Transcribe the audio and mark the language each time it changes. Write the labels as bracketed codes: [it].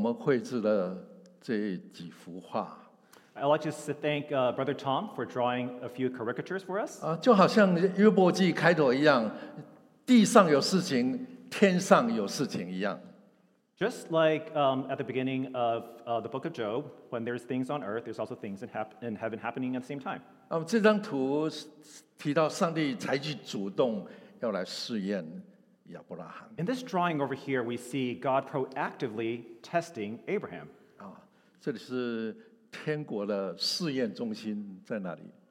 [zh] 谢谢王子宗弟兄帮我们绘制的这几幅画。 [en] I'd like to thank Brother Tom for drawing a few caricatures for us. [zh] 就好像约伯记开头一样，地上有事情，天上有事情一样。 [en] Just like at the beginning of the book of Job, when there's things on earth, there's also things in heaven happening at the same time. [zh] 这张图提到上帝采取主动要来试验亚伯拉罕。 [en] In this drawing over here, we see God proactively testing Abraham. [zh] 这里是天国的试验中心在哪里？